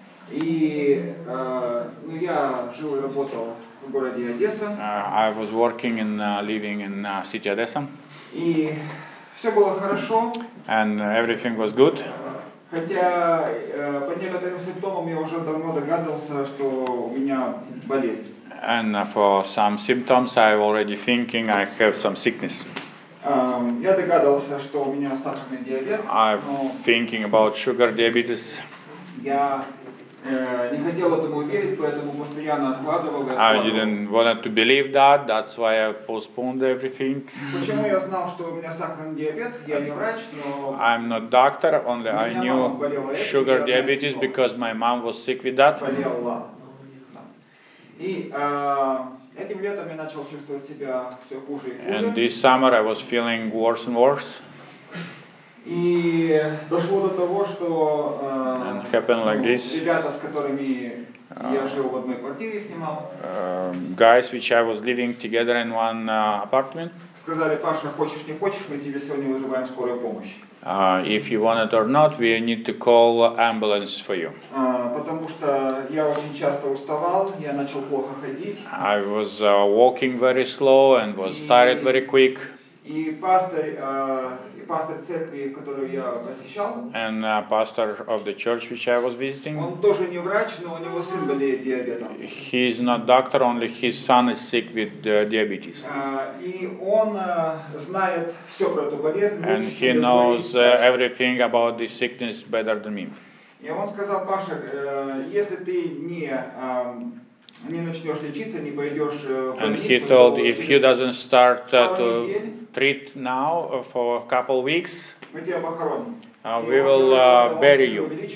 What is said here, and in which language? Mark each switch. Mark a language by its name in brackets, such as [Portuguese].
[Russian] И ну, я жил и работал в городе Одесса. [English] I was working and living in city Odessa. [Russian] И все было хорошо. [English] And everything was good. [Russian] Хотя по некоторым симптомам я уже давно догадывался, что у меня болезнь. [English] And for some symptoms I already thinking I have some sickness. [Russian] Я догадывался, что у меня сахарный диабет. [English] I'm thinking about sugar diabetes. [Russian] Я не хотел этому верить, поэтому постоянно откладывал. [English] I didn't want to believe that, that's why I postponed everything. [Russian] Почему я знал, что у меня сахарный диабет? Я не врач, но... [English] I'm not doctor, only I knew sugar diabetes because my mom was sick with that. [Russian] Болела. И этим летом я начал чувствовать себя все хуже и хуже. [English] And this summer I was feeling worse and worse. [Russian] И дошло до того, что ребята, с которыми я жил в одной квартире, снимал. [English] Guys, which I was living together in one apartment. [Russian] Сказали: Паша, хочешь не хочешь, мы тебе сегодня вызываем скорую помощь. [English] If you want it or not, we need to call ambulance for you. [Russian] Потому что я очень часто уставал, я начал плохо ходить. [English] I was walking very slow and was tired very quick. [Russian] И пастор, пастор церкви, которую я посещал. [English] And pastor of the church which I was visiting. [Russian] Он тоже не врач, но у него сын болеет диабетом. [English] He is not doctor, only his son is sick with diabetes. [Russian] И он знает все про эту болезнь. [English] And he knows everything about this sickness better than me. [Russian] И он сказал: Паша, если ты не не начнешь лечиться, не пойдешь в больницу. [English] And he told, if you doesn't start to treat now for a couple weeks, we will bury you.